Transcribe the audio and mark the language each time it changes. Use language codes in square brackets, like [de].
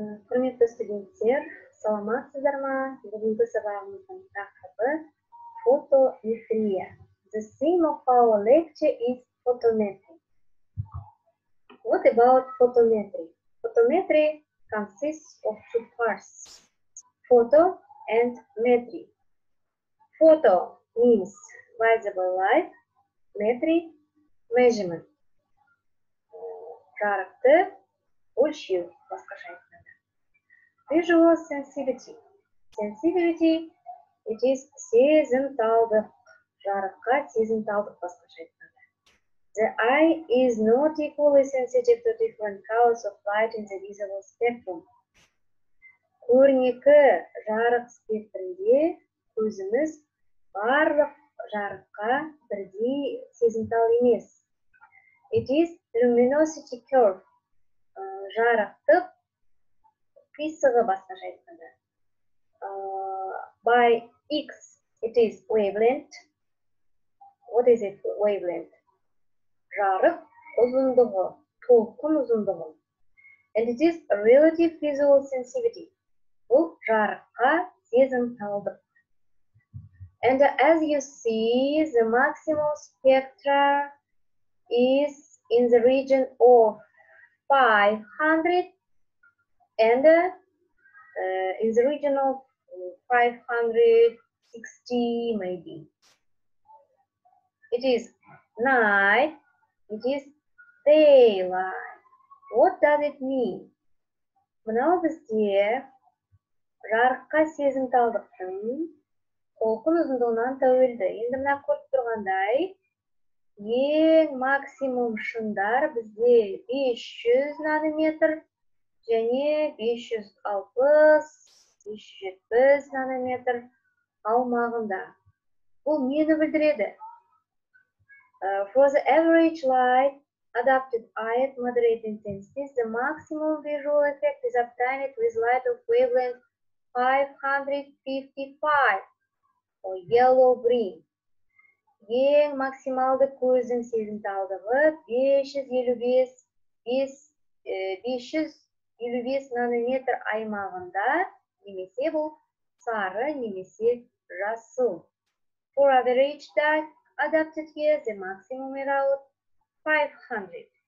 [kk] құрметті студенттер, саламатсыздар ма? Бүгінгі сабағымыздың тақырыбы фотометрия. [en] The theme of our lecture is photometry. What about photometry? Photometry consists of two parts: photo and metry. Photo means visible light, metry measurement. Character ölçü başkaşayım. Visual sensitivity. Sensitivity, it is сезімталдық. [kk] Жарыққа сезімталдық басқаша айтқанда. [en] The eye is not equally sensitive to different colors of light in the visible spectrum. [kk] Көрнекі жарық спектрінде көзіміз барлық жарыққа бірдей сезімтал емес. [en] It is luminosity curve. [kk] Жарықтық қисығы басқаша айтқанда. [en] By X, it is wavelength. What is it, wavelength? [kk] Жарық ұзындығы, толқын ұзындығы. [en] And it is relative visual sensitivity. [kk] Бұл жарыққа сезімталдық. [en] And as you see, the maximum spectra is in the region of 500. And in the region of 560, maybe. It is night, it is daylight. What does it mean? [kk] Мынау бізде жарыққа сезімталдықтың толқын ұзындығынан тәуелді. Енді мына көріп тұрғандай, ең максимум шыңдар бізде 500 нанометр. Және 560-570 нанометр аумағында. Бұл нені білдіреді? [en] For the average light adapted eye at moderate intensities, the maximum visual effect is obtained with light of wavelength 555 or yellow green. [kk] Ең максималды көздің сезімталдығы 555 нанометр аймағында, немесе бұл сары, немесе жасыл. [en] For average dark adapted here, the maximum error 500.